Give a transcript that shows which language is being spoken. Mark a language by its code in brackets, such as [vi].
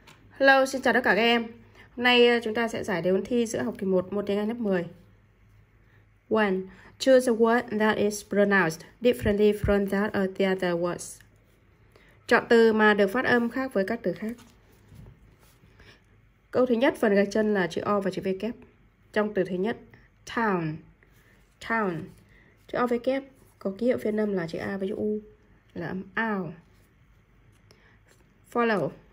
[vi] Hello, xin chào tất cả các em. Hôm nay chúng ta sẽ giải đề ôn thi giữa học kỳ 1 môn tiếng Anh lớp 10. [en] 1. Choose a word that is pronounced differently from that of the other words. [vi] Chọn từ mà được phát âm khác với các từ khác. Câu thứ nhất, phần gạch chân là chữ O và chữ V kép. Trong từ thứ nhất, town. Town. Chữ O V kép có ký hiệu phiên âm là chữ A với chữ U, là âm ao. Follow.